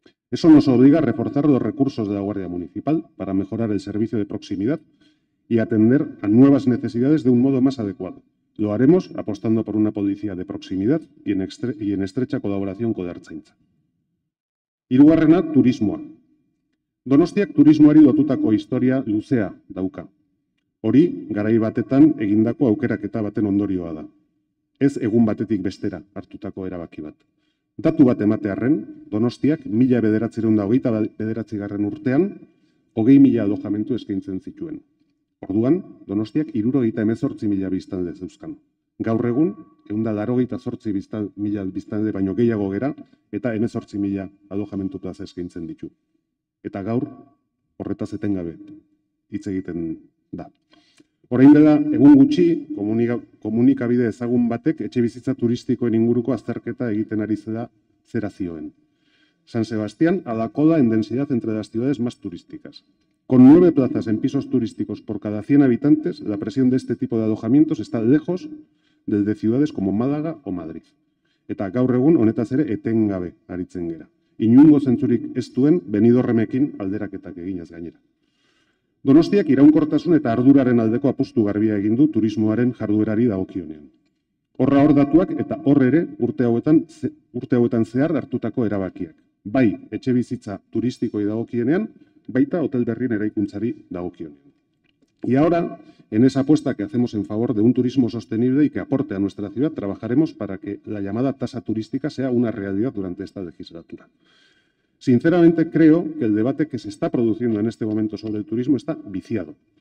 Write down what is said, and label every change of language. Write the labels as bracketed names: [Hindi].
[Spanish] Eso nos obliga a reforzar los recursos de la Guardia Municipal para mejorar el servicio de proximidad y atender a nuevas necesidades de un modo más adecuado. Lo haremos apostando por una policía de proximidad y en estrecha colaboración con la Ertzaintza. [Basque] Hirugarrena, turismoa. Donostiak turismoari lotutako historia luzea dauka. Hori, garai batetan egindako aukeraketa baten ondorioa da. Ez egun batetik bestera hartutako erabaki bat. Datu bat ematearren, Donostiak 1929. Urtean 20.000 alojamentu eskaintzen zituen. Orduan, Donostiak 78.000 biztanle zeuzkan. Gaur egun, 188.000 biztanle baino gehiago gera eta 18.000 alojamentu plaza eskaintzen ditu. Eta gaur, horretaz etengabe hitz egiten da. Orain dela, egun gutxi, komunikabide ezagun batek etxe bizitza turistikoen inguruko azterketa egiten ari zela zera zioen. [Spanish] San Sebastián a la cola en densidad entre las ciudades más turísticas. Con 9 plazas en pisos turísticos por cada 100 habitantes, la presión de este tipo de alojamientos está lejos del de ciudades como Málaga o Madrid. [Basque] Eta gaur egun, honetaz ere, etengabe aritzen gera. Inungo zentzurik ez duen, Benidorremekin alderaketak eginaz gainera. Donostiak iraunkortasun eta arduraren aldeko apustu garbia egin du turismoaren jarduerari dagokionean. Horra hor datuak eta hor ere urte hauetan zehar hartutako erabakiak. Bai, etxe bizitza turistikoi dagokienean, baita hotel berrien eraikuntzari dagokionean. [Spanish] Y ahora, en esa apuesta que hacemos en favor de un turismo sostenible y que aporte a nuestra ciudad, trabajaremos para que la llamada tasa turística sea una realidad durante esta legislatura. Sinceramente, creo que el debate que se está produciendo en este momento sobre el turismo está viciado.